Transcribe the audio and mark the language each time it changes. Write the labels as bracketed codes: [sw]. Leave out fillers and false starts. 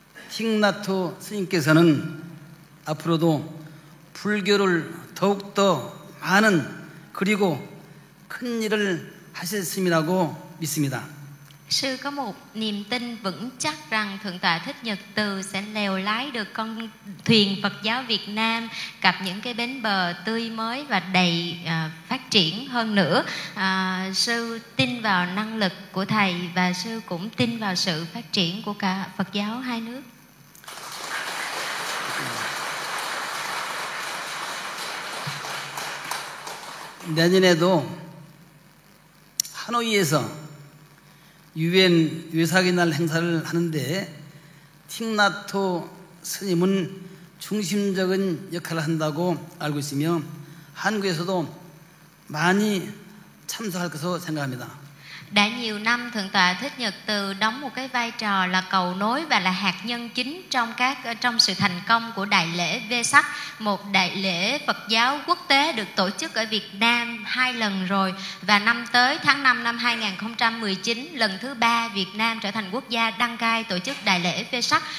[ko] 틱나토 스님께서는 앞으로도 불교를 더욱 더 많은 그리고 큰 일을 하실 스님이라고 믿습니다. [vi] Sư có một niềm tin vững chắc rằng Thượng tọa Thích Nhật Từ sẽ lèo lái được con thuyền Phật giáo Việt Nam cập những cái bến bờ tươi mới và đầy phát triển hơn nữa. Sư tin vào năng lực của Thầy và sư cũng tin vào sự phát triển của cả Phật giáo hai nước. [ko] 내년에도 하노이에서 유엔 외사귀 날 행사를 하는데 틱나토 스님은 중심적인 역할을 한다고 알고 있으며 한국에서도 많이 참석할 것으로 생각합니다. [vi] Đã nhiều năm Thượng tọa Thích Nhật Từ đóng một cái vai trò là cầu nối và là hạt nhân chính trong các trong sự thành công của đại lễ Vesak, một đại lễ Phật giáo quốc tế được tổ chức ở Việt Nam hai lần rồi, và năm tới tháng 5 năm 2019 lần thứ ba Việt Nam trở thành quốc gia đăng cai tổ chức đại lễ Vesak.